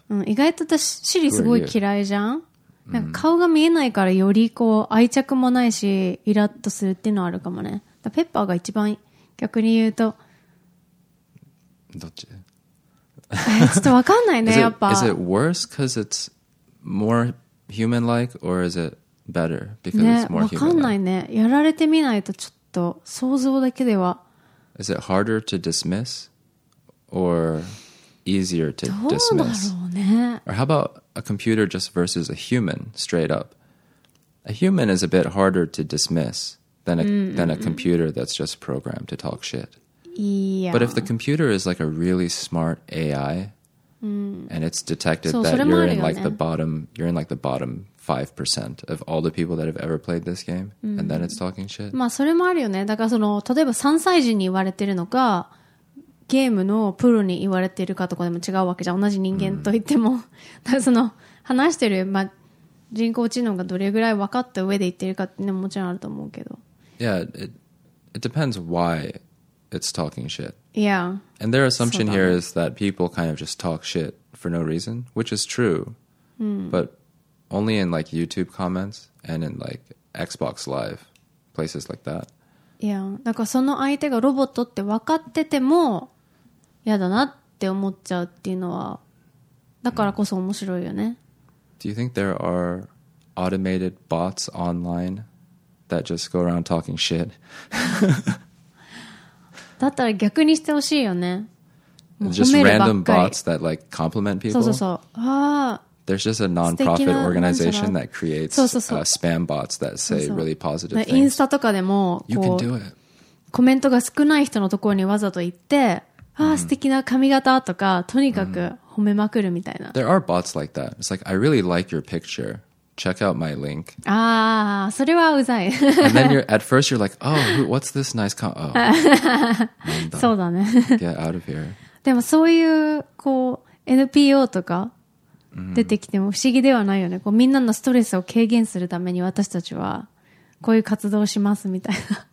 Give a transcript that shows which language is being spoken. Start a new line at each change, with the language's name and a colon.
Japanese: うん、意外と私シリすごい嫌いじゃんなんか顔が見えないからよりこう愛着もないしイラッとするっていうのはあるかもねだかペッパーが一番逆に言うとどっちちょっと分かんないねやっぱ
English: is it worse because it's more human-like or is it better because、
Japanese: ね、
English: it's more human-like
Japanese: 分かんないねやられてみないとちょっと想像だけでは
English: is it harder to dismiss or easier to dismiss
Japanese: どうだろうね
English: or how aboutA computer just versus a human, straight up. A human is a bit harder to dismiss than a computer that's just programmed to talk shit. Yeah. But if the computer is like a really smart AI, and it's detected that you're in like the bottom, you're in like the bottom 5% of all the people that have ever played this game, and then it's talking shit.
Japanese: まあそれもあるよね。だからその例えば3歳児に言われてるのか、ゲームのプロに言われてるかとかでも違うわけじゃん。同じ人間と言っても、だからその話してる、まあ人工知能がどれぐらい分かった上で言ってるかってね、もちろんあると思うけど。
English: Yeah, it depends why it's talking shit. Yeah. And their assumption here is that people kind of just talk shit for no reason, which is true. But only in like YouTube comments and in like Xbox Live, places like that. Yeah.
Japanese: だからその相手がロボットって分かってても嫌だなって思っちゃうっていうのは、だからこそ面白いよね。
English: Do you think there are automated bots online that just go around talking shit?
Japanese: だったら逆にしてほしいよね。
English: Just random bots that like compliment people?
Japanese: そうそうそう。あ、
English: There's just a non-profit organization that creates spam bots that say really positive things.
Japanese: インスタとかでも、
English: You can do it.
Japanese: コメントが少ない人のところにわざと行って、あ、素敵な髪型とか、とにかく褒めまくるみたいな。
English: There are bots like that. It's like, I really like your picture. Check out my link.
Japanese: ああ、それはうざい。
English: And then you're, at first you're like, oh, who, what's this nice con- oh.
Japanese: そうだね。
English: Get out of here.
Japanese: でもそういう、こう、NPO とか出てきても不思議ではないよね。こう、みんなのストレスを軽減するために私たちは、こういう活動をしますみたいな。